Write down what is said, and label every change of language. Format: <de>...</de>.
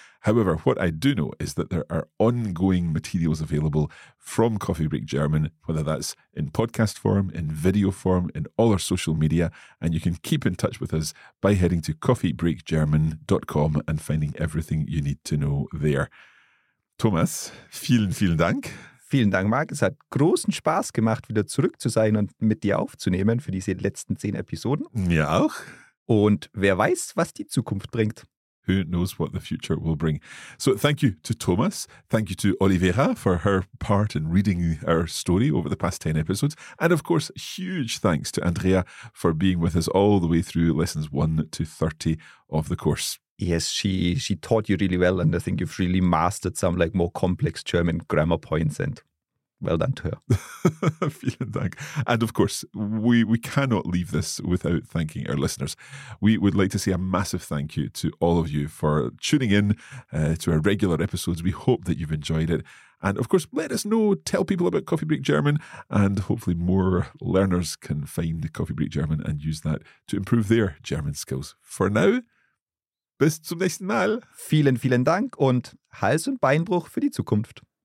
<en>However, what I do know is that there are ongoing materials available from Coffee Break German, whether that's in podcast form, in video form, in all our social media, and you can keep in touch with us by heading to coffeebreakgerman.com and finding everything you need to know there.</en> <de>Thomas, vielen, vielen Dank. Vielen Dank, Marc. Es hat großen Spaß gemacht, wieder zurück zu sein und mit dir aufzunehmen für diese letzten 10 Episoden. Mir auch. Und wer weiß, was die Zukunft bringt.</de> <en>Who knows what the future will bring. So thank you to Thomas. Thank you to Oliveira for her part in reading our story over the past 10 episodes. And of course, huge thanks to Andrea for being with us all the way through lessons 1 to 30 of the course. Yes, she taught you really well, and I think you've really mastered some like more complex German grammar points, and well done to her.</en> <de>Vielen Dank.</de> <en>And of course, we cannot leave this without thanking our listeners. We would like to say a massive thank you to all of you for tuning in to our regular episodes. We hope that you've enjoyed it. And of course, let us know, tell people about Coffee Break German, and hopefully more learners can find Coffee Break German and use that to improve their German skills. For now,</en> <de>bis zum nächsten Mal. Vielen, vielen Dank und Hals- und Beinbruch für die Zukunft.</de>